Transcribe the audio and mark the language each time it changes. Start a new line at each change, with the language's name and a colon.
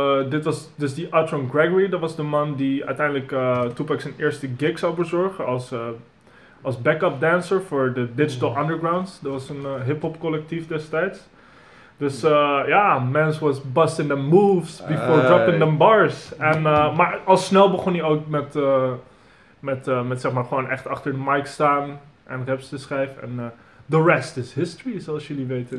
Dutch: Dit was dus die Atron Gregory, dat was de man die uiteindelijk Tupac zijn eerste gig zou bezorgen als backup dancer voor de Digital Undergrounds. Dat was een hip-hop collectief destijds.
English: Dus mans was busting the moves before dropping them bars.
Dutch: Maar al snel begon hij ook met zeg maar gewoon echt achter de mic staan en raps te schrijven. En
English: the rest is history,
Dutch: zoals jullie weten.